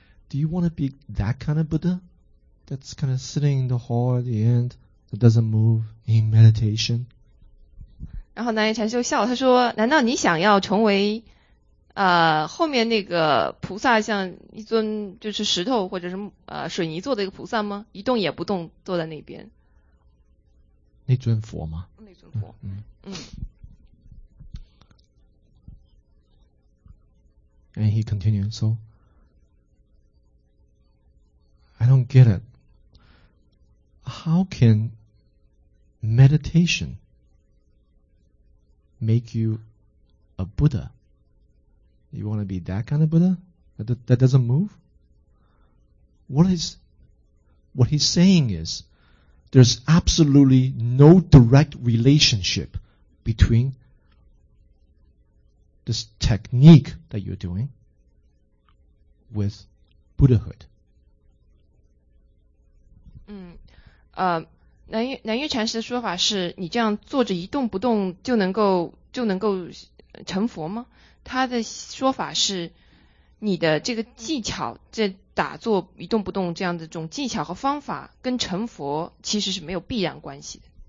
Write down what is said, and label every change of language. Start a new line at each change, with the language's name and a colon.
English: Do you want to be that kind of Buddha? That's kind of sitting in the hall at the end, that doesn't move in meditation?
Chinese: 然后南岳禅师就笑了，他说，难道你想要成为后面那个菩萨像一尊就是石头或者是水泥做的一个菩萨吗？一动也不动坐在那边。那尊佛吗？那尊佛。
English: And he continued, so, I don't get it. How can meditation make you a Buddha? You want to be that kind of Buddha that doesn't move? What he's saying is, there's absolutely no direct relationship between this technique that you're doing with Buddhahood.
Chinese: 南岳禅师的说法是，你这样坐着一动不动就能够成佛吗？他的说法是，你的这个技巧，这打坐一动不动这样的这种技巧和方法，跟成佛其实是没有必然关系的。